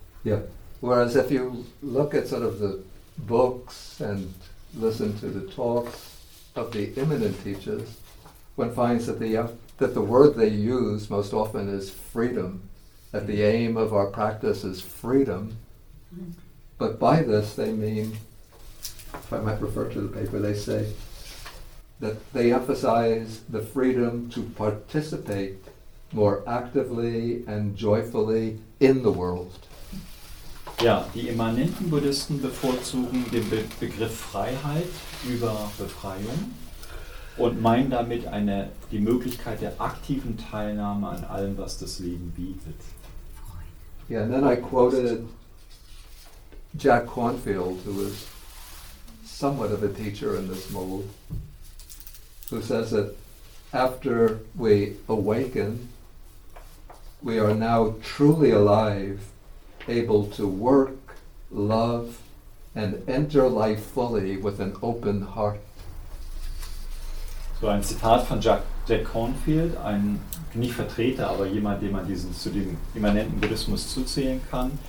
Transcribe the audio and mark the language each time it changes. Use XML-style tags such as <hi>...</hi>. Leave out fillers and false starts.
<en>Yeah. Whereas if you look at sort of the books and listen to the talks of the immanent teachers, one finds that the word they use most often is freedom, that the aim of our practice is freedom. But by this they mean, if I might refer to the paper, they say that they emphasize the freedom to participate more actively and joyfully in the world.</en> <de>Ja, die immanenten Buddhisten bevorzugen den Begriff Freiheit über Befreiung und meinen damit die Möglichkeit der aktiven Teilnahme an allem, was das Leben bietet.</de> <en>Yeah, and then I quoted Jack Kornfield, who is somewhat of a teacher in this mold, who says that after we awaken, we are now truly alive, able to work, love, and enter life fully with an open heart.</en> <de>So ein Zitat von Jack Kornfield, ein nicht Vertreter, aber jemand, den man zu dem immanenten Buddhismus zuzählen kann.</de>